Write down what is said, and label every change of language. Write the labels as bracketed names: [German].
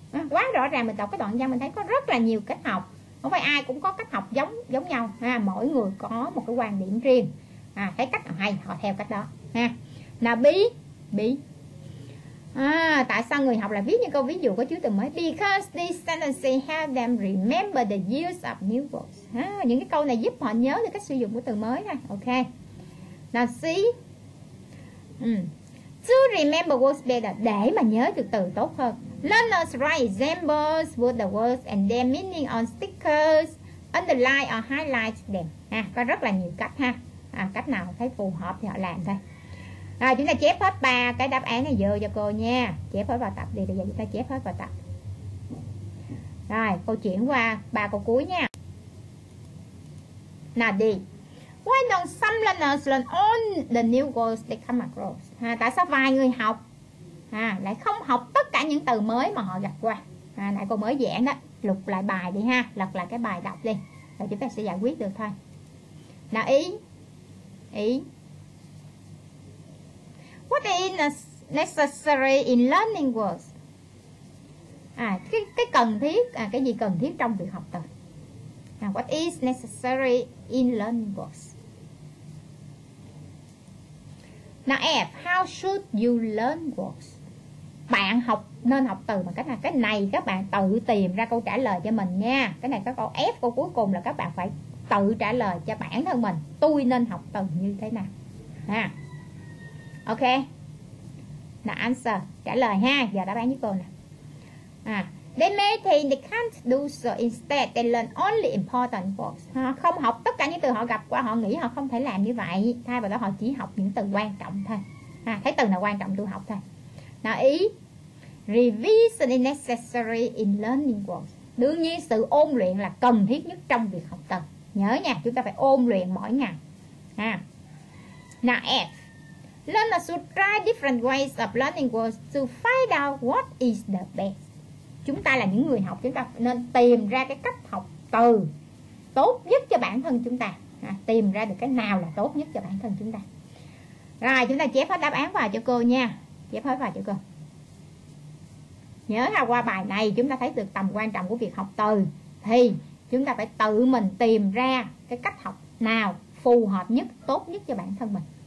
[Vietnamese] Quá rõ ràng, mình đọc cái đoạn văn mình thấy có rất là nhiều cách học, không phải ai cũng có cách học giống nhau ha. Mỗi người có một cái quan điểm riêng, thấy cách nào hay họ theo cách đó ha. Là bí tại sao người học lại viết những câu ví dụ có chứa từ mới? [English] Because these sentences help them remember the use of new words. [Vietnamese] Những cái câu này giúp họ nhớ được cách sử dụng của từ mới ha. Ok, là see. [English] To remember words better, [Vietnamese] để mà nhớ được từ tốt hơn. [English] Learners write examples with the words and their meaning on stickers, underline or highlight them. [Vietnamese] Có rất là nhiều cách ha. Cách nào thấy phù hợp thì họ làm thôi. Rồi chúng ta chép hết ba cái đáp án này vô cho cô nha. Chép hết vào tập đi, bây giờ chúng ta chép hết vào tập. Rồi, cô chuyển qua ba câu cuối nha. Nào đi. [English] Why don't some learners learn all the new words they come across? [Vietnamese] Tại sao vài người học lại không học tất cả những từ mới mà họ gặp qua? Nãy cô mới giảng đó, lục lại bài đi ha, lật lại cái bài đọc đi, rồi chúng ta sẽ giải quyết được thôi. Nào ý. [English] What is necessary in learning words? [Vietnamese] Cái cần thiết, cái gì cần thiết trong việc học từ? [English] What is necessary in learning words? Now F, how should you learn words? [Vietnamese] Bạn học nên học từ bằng cách nào? Cái này các bạn tự tìm ra câu trả lời cho mình nha. Cái này có câu F, câu cuối cùng là các bạn phải tự trả lời cho bản thân mình. Tôi nên học từ như thế nào? Ha. Ok. [English] Now answer, [Vietnamese] trả lời ha. Giờ đáp án với cô nè. [English] They may think they can't do so, instead they learn only important words. [Vietnamese] Không học tất cả những từ họ gặp qua, họ nghĩ họ không thể làm như vậy. Thay vào đó họ chỉ học những từ quan trọng thôi. Thấy từ nào quan trọng tôi học thôi. Nào ý. [English] Revision is necessary in learning words. [Vietnamese] Đương nhiên sự ôn luyện là cần thiết nhất trong việc học từ. Nhớ nha, chúng ta phải ôn luyện mỗi ngày. Nào F. [English] Learners should try different ways of learning words to find out what is the best. [Vietnamese] Chúng ta là những người học, chúng ta nên tìm ra cái cách học từ tốt nhất cho bản thân chúng ta. Tìm ra được cái nào là tốt nhất cho bản thân chúng ta. Rồi, chúng ta chép hết đáp án vào cho cô nha. Chép hết vào cho cô. Nhớ ha, qua bài này chúng ta thấy được tầm quan trọng của việc học từ. Thì chúng ta phải tự mình tìm ra cái cách học nào phù hợp nhất, tốt nhất cho bản thân mình.